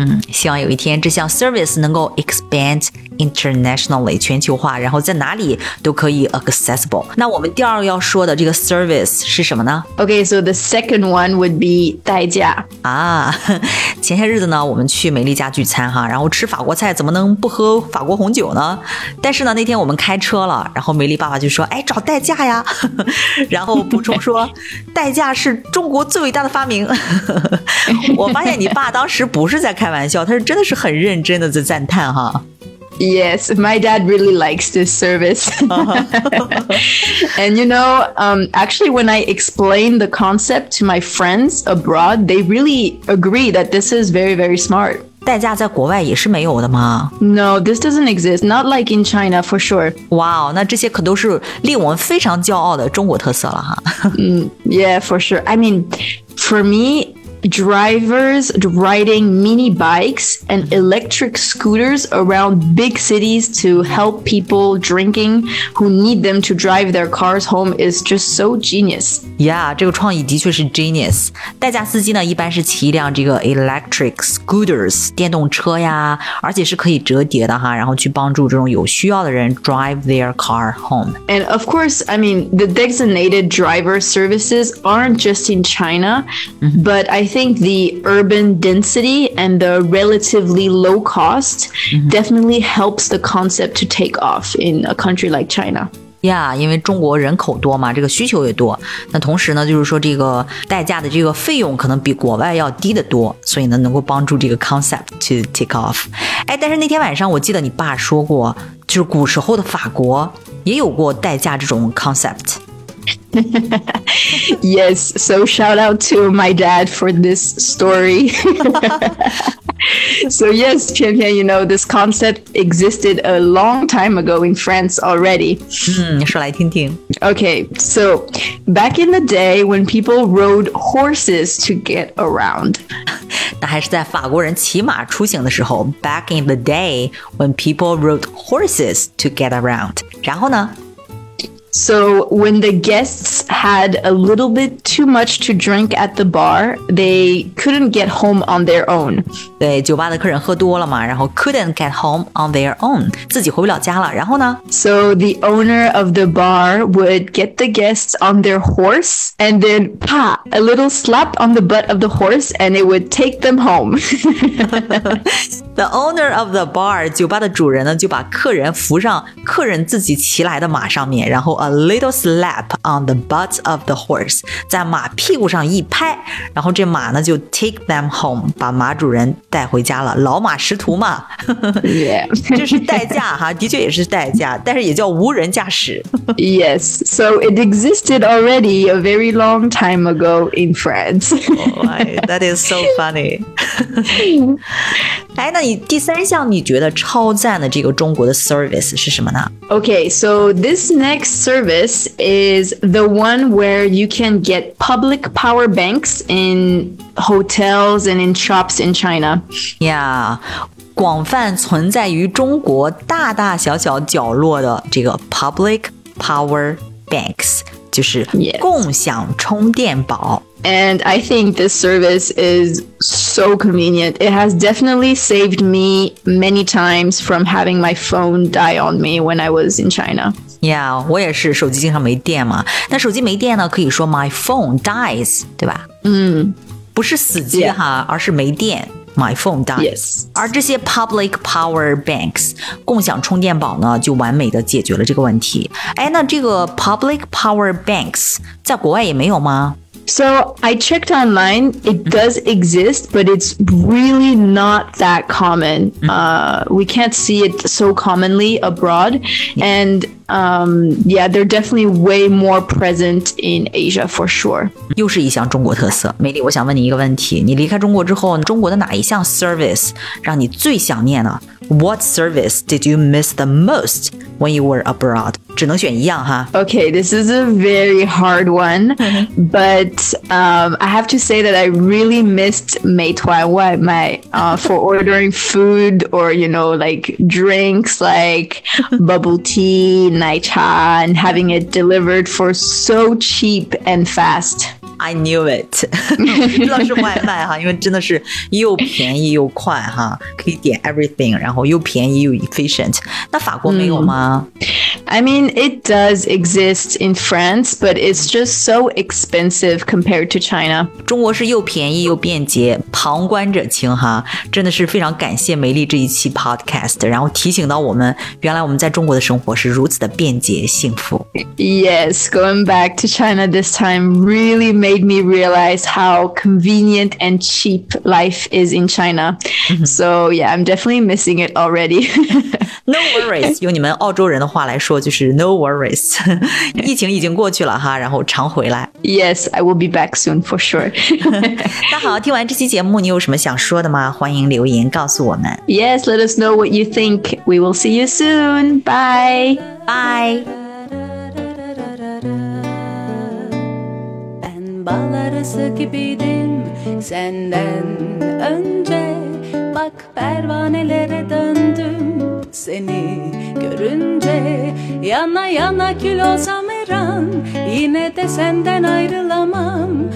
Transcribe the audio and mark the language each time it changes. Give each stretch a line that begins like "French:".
Chinese: 希望有一天这项 service 能够
English: expand internationally
Chinese: 全球化然后在哪里都可以 accessible 那我们第二个要说的这个 service 是什么呢
English: Okay, so the second one would be
Chinese: 代驾啊前些日子呢我们去美丽家聚餐哈然后吃法国菜怎么能不喝法国红酒呢但是呢那天我们开车了然后美丽爸爸就说哎找代驾呀然后补充说代驾是中国最伟大的发明我发现你爸当时不是在开玩笑，他是真的是很认真的在赞叹哈。
English: Yes, my dad really likes this service. And you know, actually, when I explain the concept to my friends abroad, they really agree that this is very, very smart.
Chinese: 代驾在国外也是没有的吗
English: No, this doesn't exist. Not like in China, for sure.
Chinese: Wow, 那这些可都是令我们非常骄傲的中国特色了哈。
English: yeah, for sure. I mean, for me,Drivers riding mini bikes and electric scooters around big cities to help people drinking who need them to drive their cars home is just so genius.
Chinese: Yeah, 这个创意的确是 genius. 代驾司机呢一般是骑一辆这个
English: electric scooters,
Chinese: 电动车呀而且是可以折叠的哈然后去帮助这种有需要的人
English: drive their car home. And of course, I mean, the designated driver services aren't just in China, but I think the urban density and the relatively low cost、mm-hmm. definitely helps the concept to take off in a country like China.
Chinese: Yeah, 因为中国人口多嘛，这个需求也多。那同时呢，就是说这个代驾的这个费用可能比国外要低得多，所以呢，能够帮助这个
English: concept to take off。
Chinese: 哎，但是那天晚上我记得你爸说过，就是古时候的法国也有过代驾这种 concept。
English: Yes, so shout out to my dad for this story. So yes, Pian Pian, you know, this concept existed a long time ago in France already.
Chinese: 说来听听。
English: Okay, so back in the day when people rode horses to get around.
Chinese: 那还是在法国人骑马出行的时候。
English: Back in the day when people rode horses to get around.
Chinese: 然后呢？
English: So when the guests had a little bit too much to drink at the bar, they couldn't get home on their own.
Chinese: 对，酒吧的客人喝多了嘛，然后
English: couldn't get home on their own,
Chinese: 自己回不了家了，然后呢？
English: So the owner of the bar would get the guests on their horse, and then, pa, a little slap on the butt of the horse, and it would take them home. The owner of the bar,
Chinese: 酒吧的主人呢，就把客人扶上客人自己骑来的马上面，然后
English: A little slap on the butt of the horse
Chinese: 在马屁股上一拍然后这马呢就
English: take them home
Chinese: 把马主人带回家了老马识途嘛
English: yeah
Chinese: 这是代驾哈的确也是代驾但是也叫无人驾驶
English: yes so it existed already a very long time ago in France Oh my, that is so funny
Chinese: 哎，那你第三项你觉得超赞的这个中国的 service 是什么呢
English: okay so this nextservice is the one where you can get public power banks in hotels and in shops in China.
Chinese: Yeah, 广泛存在于中国大大小小角落的这个
English: public power banks,
Chinese: 就是共享充电宝。
English: And I think this service is so convenient. It has definitely saved me many times from having my phone die on me when I was in China.
Chinese: Yeah, 我也是手机经常没电嘛。那手机没电呢，可以说
English: my phone dies,
Chinese: 对吧？不是死机哈，而是没电。
English: My phone dies. Yes.
Chinese: 而这些
English: public power banks,
Chinese: 共享充电宝呢，就完美的解决了这个问题。哎，那这个
English: public power banks
Chinese: 在国外也没有吗？
English: So I checked online, it does exist, but it's really not that common. We can't see it so commonly abroad. And yeah, they're definitely way more present in Asia for sure.
Chinese: 又是一项中国特色。美丽，我想问你一个问题。你离开中国之后，中国的哪一项 service 让你最想念呢？
English: What service did you miss the most when you were abroad?
Chinese: 只能选一样哈。
English: Okay, this is a very hard one, but I have to say that I really missed Meituan Waimai for ordering food or you know like drinks like bubble tea, naicha, and having it delivered for so cheap and fast. I knew it.
Chinese: 知道是外卖哈，因为真的是又便宜又快哈，可以点 everything， 然后又便宜又 efficient。那法国没有吗？
English: I mean, it does exist in France, but it's just so expensive compared to China.
Chinese: 中国是又便宜又便捷，旁观者清哈，真的是非常感谢梅丽这一期 podcast， 然后提醒到我们，原来我们在中国的生活是如此的便捷幸福。
English: Yes, going back to China this time really made me realize how convenient and cheap life is in China. So yeah, I'm definitely missing it already. No worries,
Chinese: 用你们澳洲人的话来说就是
English: no worries
Chinese: 疫情已经过去了哈然后常回来
English: Yes, I will be back soon for sure
Chinese: 那好听完这期节目你有什么想说的吗欢迎留言告诉我们
English: Yes, let us know what you think We will see you soon, bye Bye
Turkish: Seni görünce yana yana kül olsam her an yine de senden ayrılamam